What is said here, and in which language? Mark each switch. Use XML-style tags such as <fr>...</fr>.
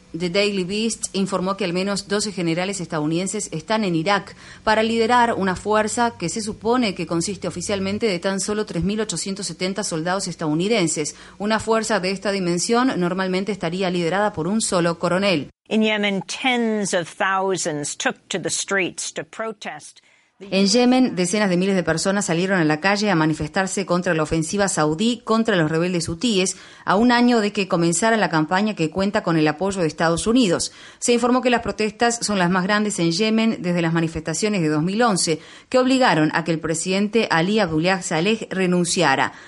<es>The Daily Beast informó que al menos 12 generales estadounidenses están en Irak para liderar una fuerza que se supone que consiste oficialmente de tan solo 3.870 soldados estadounidenses. Una fuerza de esta dimensión normalmente estaría liderada por un solo coronel.</es> <en>In Yemen, tens of thousands took to the streets to protest.</en> <es>En Yemen, decenas de miles de personas salieron a la calle a manifestarse contra la ofensiva saudí contra los rebeldes hutíes, a un año de que comenzara la campaña que cuenta con el apoyo de Estados Unidos. Se informó que las protestas son las más grandes en Yemen desde las manifestaciones de 2011, que obligaron a que el presidente Ali Abdullah Saleh renunciara.</es>